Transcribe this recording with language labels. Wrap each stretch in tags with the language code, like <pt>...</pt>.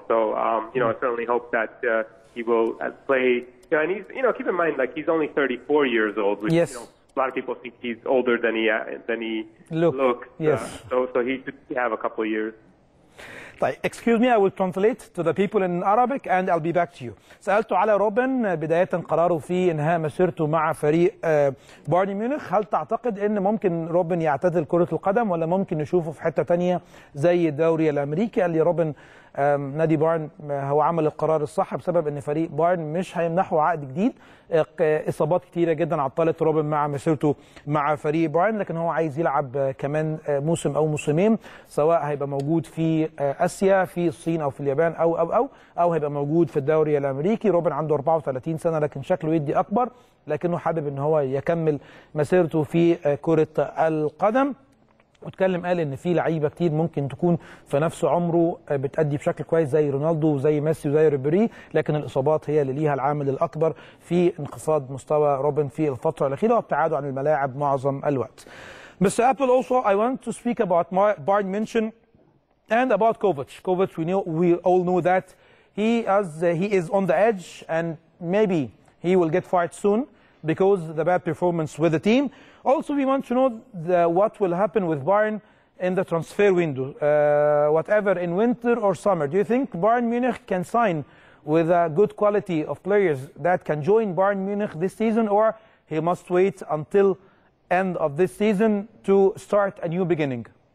<en>So, you know, I certainly hope that he will play... Yeah, and he's, you know, keep in mind, like, he's only 34 years old, which, yes, you know, a lot of people think he's older than he looks. Yes. So he should have a couple of years. Excuse me, I will translate to the people in Arabic and I'll be back to you.</en> <ar>سألت على روبن بداية قراره في إنهاء مسيرته مع فريق بايرن ميونخ، هل تعتقد إن ممكن روبن يعتزل كرة القدم ولا ممكن نشوفه في حتة تانية زي الدوري الأمريكي؟ قال لي روبن نادي بايرن هو عمل القرار الصح بسبب إن فريق بايرن مش هيمنحه عقد جديد. إصابات كتيرة جدا عطلت روبن مع مسيرته مع فريق بايرن، لكن هو عايز يلعب كمان موسم أو موسمين، سواء هيبقى موجود في آسيا في الصين أو في اليابان أو هيبقى موجود في الدوري الأمريكي. روبن عنده 34 سنة لكن شكله يدي أكبر، لكنه حابب إن هو يكمل مسيرته في كرة القدم. واتكلم قال ان في لعيبه كتير ممكن تكون في نفس عمره بتأدي بشكل كويس زي رونالدو وزي ميسي وزي ريبيري، لكن الاصابات هي اللي ليها العامل الاكبر في انخفاض مستوى روبن في الفتره الاخيره وابتعاده عن الملاعب معظم الوقت.</ar> <en>Mr. Apple, also I want to speak about my Bayern Munich and about Kovac. We all know that he is on the edge and maybe he will get fired soon because of the bad performance with the team. Also, we want to know what will happen with Bayern in the transfer window, whatever, in winter or summer. Do you think Bayern Munich can sign with a good quality of players that can join Bayern Munich this season, or he must wait until end of this season to start a new beginning?</en>